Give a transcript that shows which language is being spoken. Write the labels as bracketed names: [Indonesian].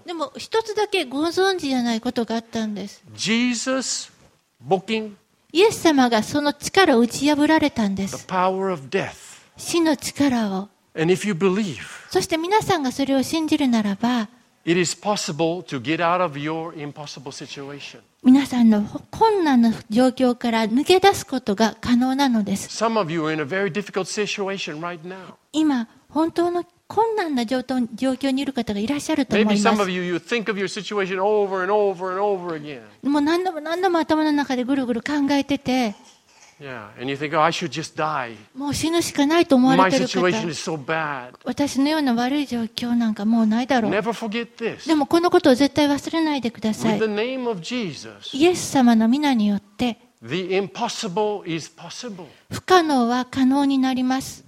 [Japanese] でも一つだけご存知じゃないことがあったんです。 [English] Jesus booking. [Japanese] イエス様がその力を打ち破られたんです。 [English] The power of death. [Japanese] 死の力を。 [English] And if you believe, [Japanese] そして皆さんがそれを信じるならば、 [English] it is possible to get out of your impossible situation. [Japanese] 皆さんの困難な状況から抜け出すことが可能なのです。 [English] Some of you are in a very difficult situation right now. [Japanese] 今本当の困難な状況にいる方がいらっしゃると思います。 [English] Maybe some of you think of your situation over and over and over again. [Japanese] もう何度も何度も頭の中でぐるぐる考えてて。 [English] Yeah, and you think, oh, I should just die. [Japanese] もう死ぬしかないと思われている方。 [English] My situation is so bad. [Japanese] 私のような悪い状況なんかもうないだろう。 [English] Never forget this. [Japanese] でもこのことを絶対忘れないでください。 [English] With the name of Jesus. [Japanese] イエス様の名によって。 [English] The impossible is possible. [Japanese] 不可能は可能になります。